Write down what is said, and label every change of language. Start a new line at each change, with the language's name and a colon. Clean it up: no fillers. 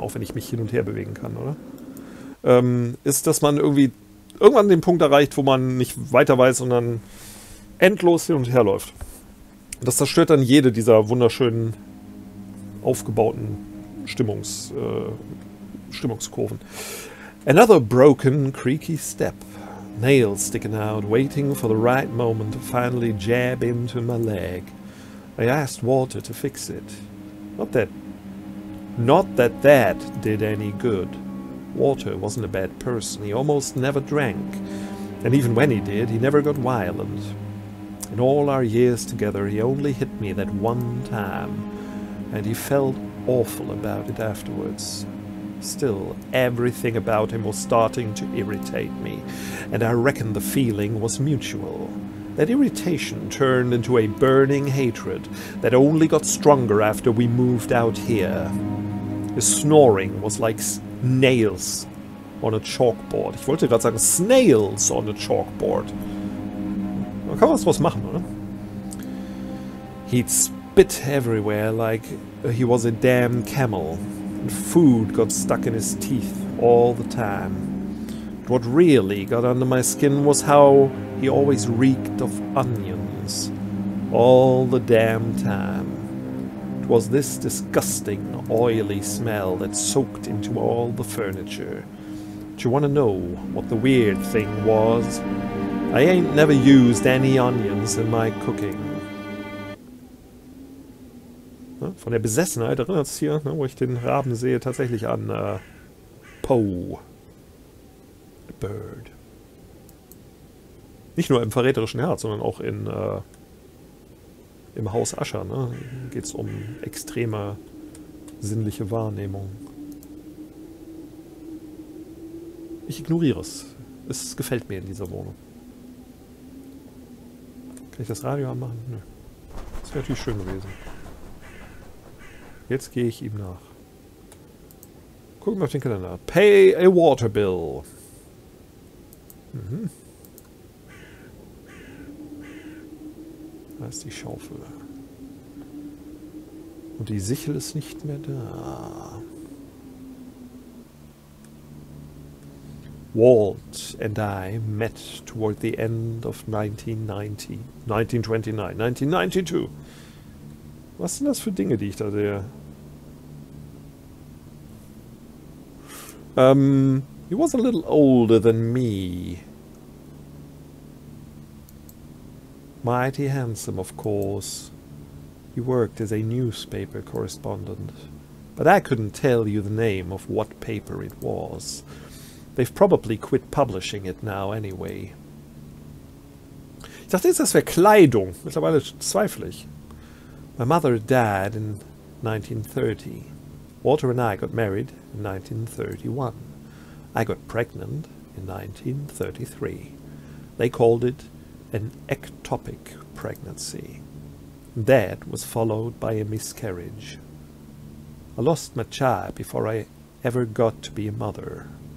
German: Auch wenn ich mich hin und her bewegen kann, oder? Ist, dass man irgendwann den Punkt erreicht, wo man nicht weiter weiß und dann endlos hin und her läuft. Das zerstört dann jede dieser wunderschönen aufgebauten Stimmungskurven.
English: Another broken, creaky step. Nails sticking out, waiting for the right moment to finally jab into my leg. I asked Walter to fix it. Not that did any good. Walter wasn't a bad person. He almost never drank. And even when he did, he never got violent. In all our years together, he only hit me that one time. And he felt awful about it afterwards. Still, everything about him was starting to irritate me. And I reckon the feeling was mutual. That irritation turned into a burning hatred that only got stronger after we moved out here. His snoring was like nails on a chalkboard.
German: Ich wollte gerade sagen,
English: snails on a chalkboard.
German: Da kann man was machen, oder?
English: He'd spit everywhere like he was a damn camel. And food got stuck in his teeth all the time. But what really got under my skin was how he always reeked of onions. All the damn time. It was this disgusting, oily smell that soaked into all the furniture. Do you want to know what the weird thing was? I ain't never used any onions in my cooking.
German: Ne, von der Besessenheit erinnert es hier, ne, wo ich den Raben sehe, tatsächlich an Poe.
English: A bird.
German: Nicht nur im verräterischen Herz, sondern auch in im Haus Ascher, ne? Geht es um extreme sinnliche Wahrnehmung. Ich ignoriere es. Es gefällt mir in dieser Wohnung. Kann ich das Radio anmachen? Nö. Das wäre natürlich schön gewesen. Jetzt gehe ich ihm nach. Gucken wir auf den Kalender.
English: Pay a water bill. Mhm.
German: Da ist die Schaufel. Und die Sichel ist nicht mehr da.
English: Walt and I met toward the end of 1992.
German: Was sind das für Dinge, die ich da sehe?
English: He was a little older than me. Mighty handsome, of course. He worked as a newspaper correspondent. But I couldn't tell you the name of what paper it was. They've probably quit publishing it now anyway.
German: Ich dachte jetzt, das wäre Kleidung. Mittlerweile zweifle ich.
English: My mother died in 1930. Walter and I got married in 1931. I got pregnant in 1933. They called it an ectopic pregnancy. That was followed by a miscarriage. I lost my child before I ever got to be a mother.